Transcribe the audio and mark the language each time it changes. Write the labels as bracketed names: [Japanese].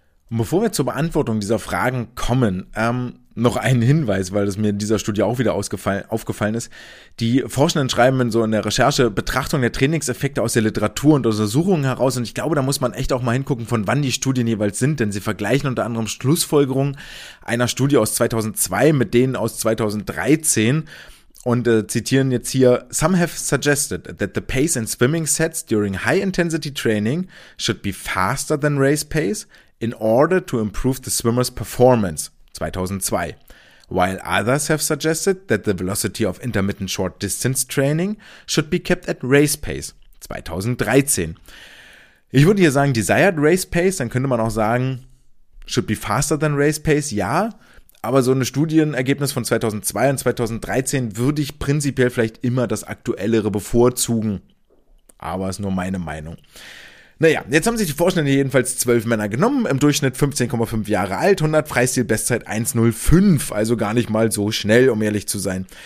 [German] Und bevor wir zur Beantwortung dieser Fragen kommen, noch ein Hinweis, weil das mir in dieser Studie auch wieder aufgefallen ist. Die Forschenden schreiben so in der Recherche Betrachtung der Trainingseffekte aus der Literatur und Untersuchungen heraus. Und ich glaube, da muss man echt auch mal hingucken, von wann die Studien jeweils sind. Denn sie vergleichen unter anderem Schlussfolgerungen einer Studie aus 2002 mit denen aus 2013. Und zitieren jetzt hier, [English] some have suggested that the pace in swimming sets during high-intensity training should be faster than race pace in order to improve the swimmer's performance, 2002. While others have suggested that the velocity of intermittent short distance training should be kept at race pace, 2013. [German] Ich würde hier sagen, [English] desired race pace, [German] dann könnte man auch sagen, [English] should be faster than race pace, [German] ja. Aber so ein Studienergebnis von 2002 und 2013 würde ich prinzipiell vielleicht immer das Aktuellere bevorzugen. Aber ist nur meine Meinung. Naja, jetzt haben sich die Forschenden jedenfalls 12 Männer genommen, im Durchschnitt 15,5 Jahre alt, 100 Freistil-Bestzeit 1,05, also gar nicht mal so schnell, um ehrlich zu sein.